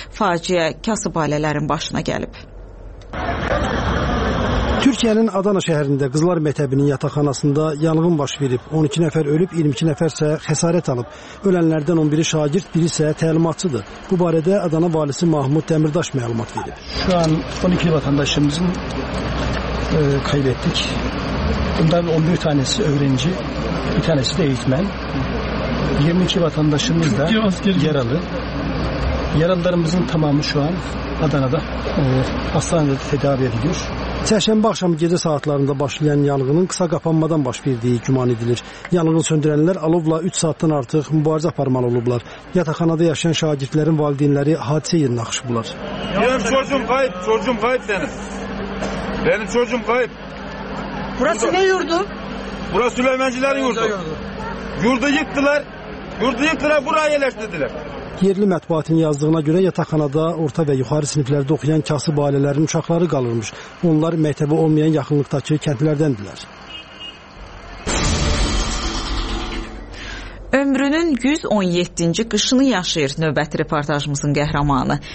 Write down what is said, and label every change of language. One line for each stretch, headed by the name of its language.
Azerbaijani: Faciə kasıb ailələrin başına gəlib. Türkiyənin Adana şəhərində Qızlar Məktəbinin yataqxanasında yanğın baş verib, 12 nəfər ölüb, 22 nəfərsə xəsarət alıb. Ölənlərdən 11-i şagird, biri isə təlimatçıdır. Bu barədə Adana valisi Mahmud Dəmirdaş məlumat verib.
Turkish: Şu an 12 vatandaşımızın kaybettik. Bundan 11 tanesi öğrenci, bir tanesi de eğitmen. 22 vatandaşımız da yaralı. Yaralılarımızın tamamı şu an Adana'da hastanede tedavi ediliyor.
Azerbaijani: Çərşənbə akşamı gecə saatlarında başlayan yanğının qısa qapanmadan baş verdiyi güman edilir. Yanğını söndürənlər alovla 3 saatdan artıq mübarizə aparmalı olublar. Yataqxanada yaşayan şagirdlərin valideynləri hadisə yerinə axışıblar.
Turkish: Benim çocuğum kayıp, çocuğum kayıp benim. Benim çocuğum kayıp. Burası ne yurdu? Burası Süleymancıların yurdu. Yurdu yıktılar, yurdu yıktılar, buraya yerleştirdiler.
Azerbaijani: Yerli mətbuatın yazdığına görə yataqxanada orta və yuxarı siniflərdə oxuyan kasıb ailələrin uşaqları qalırmış. Onlar məktəbə olmayan yaxınlıqdakı kəndlərdəndirlər. Ömrünün 117-ci qışını yaşayır növbəti reportajımızın qəhrəmanı.